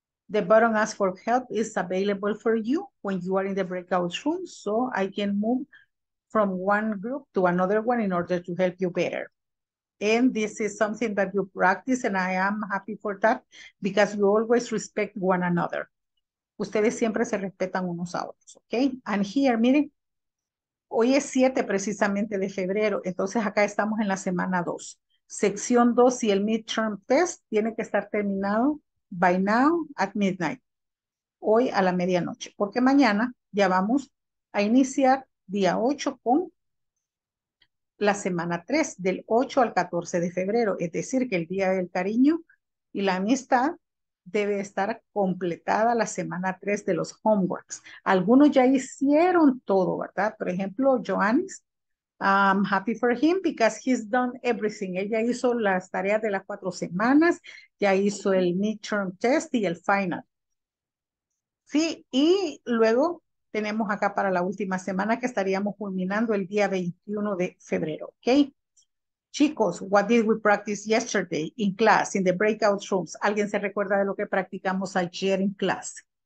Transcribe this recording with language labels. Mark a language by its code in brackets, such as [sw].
[en] The button ask for help is available for you when you are in the breakout room, so I can move from one group to another one in order to help you better. And this is something that you practice, and I am happy for that because you always respect one another. [es] Ustedes siempre se respetan unos a otros, okay? [en] And here, [es] miren, hoy es 7 precisamente de febrero, entonces acá estamos en la semana 2. Sección 2 y el midterm test tiene que estar terminado [en] by now at midnight, [es] hoy a la medianoche, porque mañana ya vamos a iniciar día 8 con la semana 3, del 8 al 14 de febrero, es decir, que el día del cariño y la amistad debe estar completada la semana 3 de los homeworks. Algunos ya hicieron todo, ¿verdad? Por ejemplo, Joannis. [en] I'm happy for him because he's done everything. [es] Él ya hizo las tareas de las 4 semanas, ya hizo el midterm test y el final. Sí, y luego tenemos acá para la última semana que estaríamos culminando el día 21 de febrero, ¿ok? [en] Chicos, what did we practice yesterday in class, in the breakout rooms? [es] ¿Alguien se recuerda de lo que practicamos ayer en clase?